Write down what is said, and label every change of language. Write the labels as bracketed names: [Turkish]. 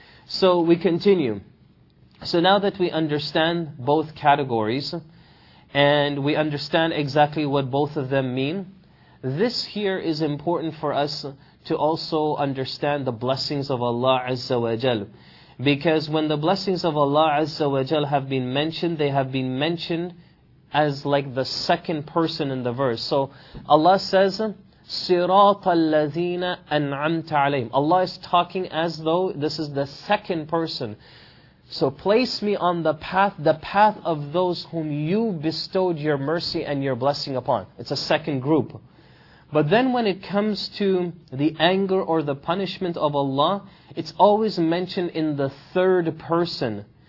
[English] So we continue. So now that we understand both categories, and we understand exactly what both of them mean, this here is important for us to also understand the blessings of Allah Azza wa Jal. Because when the blessings of Allah Azza wa Jal have been mentioned, they have been mentioned as like the second person in the verse. So Allah says, [Arabic] صِرَاطَ الَّذِينَ أَنْعَمْتَ عَلَيْهِمْ. [English] Allah is talking as though this is the second person. So place me on the path of those whom you bestowed your mercy and your blessing upon. It's a second group. But then when it comes to the anger or the punishment of Allah, it's always mentioned in the third person.